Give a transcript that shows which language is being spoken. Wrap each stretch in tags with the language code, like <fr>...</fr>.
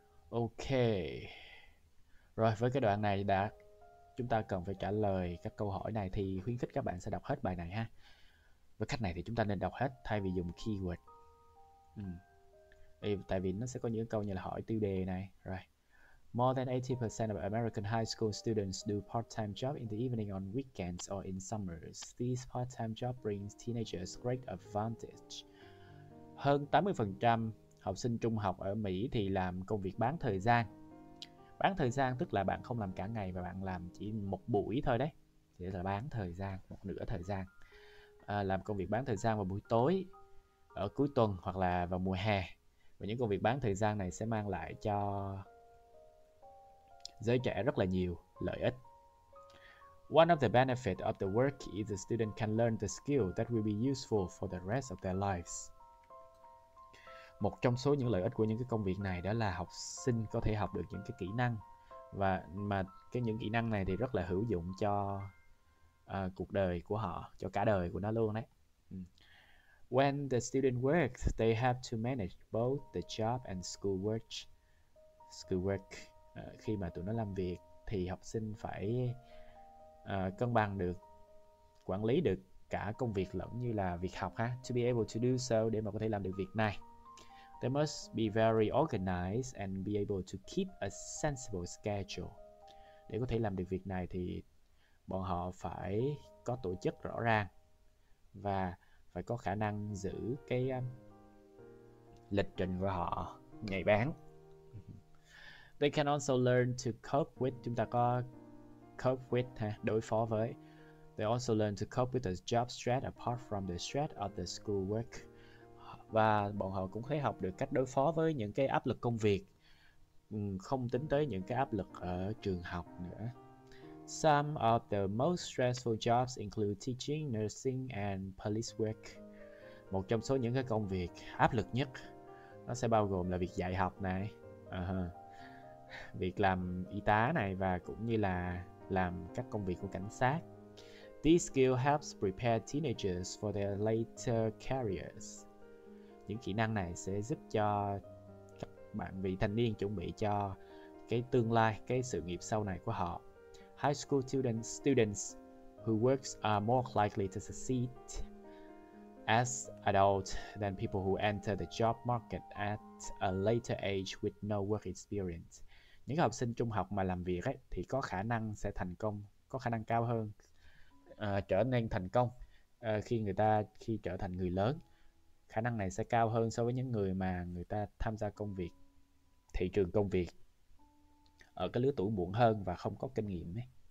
<vi>Ok, rồi với cái đoạn này đã, chúng ta cần phải trả lời các câu hỏi này thì khuyến khích các bạn sẽ đọc hết bài này ha. Với cách này thì chúng ta nên đọc hết thay vì dùng keyword. Tại vì nó sẽ có những câu như là hỏi tiêu đề này. Rồi.</vi> <en>More than 80% of American high school students do part-time job in the evening on weekends or in summers. These part-time jobs bring teenagers great advantage.</en> <vi>Hơn 80% học sinh trung học ở Mỹ thì làm công việc bán thời gian. Bán thời gian tức là bạn không làm cả ngày và bạn làm chỉ một buổi thôi đấy. Thì là bán thời gian, một nửa thời gian. Làm công việc bán thời gian vào buổi tối, ở cuối tuần hoặc là vào mùa hè. Và những công việc bán thời gian này sẽ mang lại cho giới trẻ rất là nhiều lợi ích.</vi> <en>One of the benefits of the work is the student can learn the skill that will be useful for the rest of their lives.</en> <vi>Một trong số những lợi ích của những cái công việc này đó là học sinh có thể học được những cái kỹ năng. Và mà cái những kỹ năng này thì rất là hữu dụng cho cuộc đời của họ, cho cả đời của nó luôn đấy.</vi> <en>When the student works, they have to manage both the job and school work.</en> <vi>Khi mà tụi nó làm việc thì học sinh phải cân bằng được, quản lý được cả công việc lẫn như là việc học ha.</vi> <en>To be able to do so,</en> <vi>để mà có thể làm được việc này,</vi> <en>they must be very organized and be able to keep a sensible schedule.</en> <vi>Để có thể làm được việc này thì bọn họ phải có tổ chức rõ ràng và phải có khả năng giữ cái lịch trình của họ nhạy bén.</vi> <en>They can also learn to cope with,</en> <vi>chúng ta có cope with ha, đối phó với.</vi> <en>They also learn to cope with the job stress apart from the stress of the school work.</en> <vi>Và bọn họ cũng thấy học được cách đối phó với những cái áp lực công việc, không tính tới những cái áp lực ở trường học nữa.</vi> <en>Some of the most stressful jobs include teaching, nursing, and police work.</en> <vi>Một trong số những cái công việc áp lực nhất nó sẽ bao gồm là việc dạy học này, việc làm y tá này và cũng như là làm các công việc của cảnh sát.</vi> <en>These skills help prepare teenagers for their later careers.</en> <vi>Những kỹ năng này sẽ giúp cho các bạn vị thanh niên chuẩn bị cho cái tương lai, cái sự nghiệp sau này của họ.</vi> <en>High school students who works are more likely to succeed as adults than people who enter the job market at a later age with no work experience.</en> <vi>Những học sinh trung học mà làm việc ấy, thì có khả năng sẽ thành công, có khả năng cao hơn, trở nên thành công khi trở thành người lớn. Khả năng này sẽ cao hơn so với những người mà người ta tham gia công việc, thị trường công việc ở cái lứa tuổi muộn hơn và không có kinh nghiệm ấy.</vi>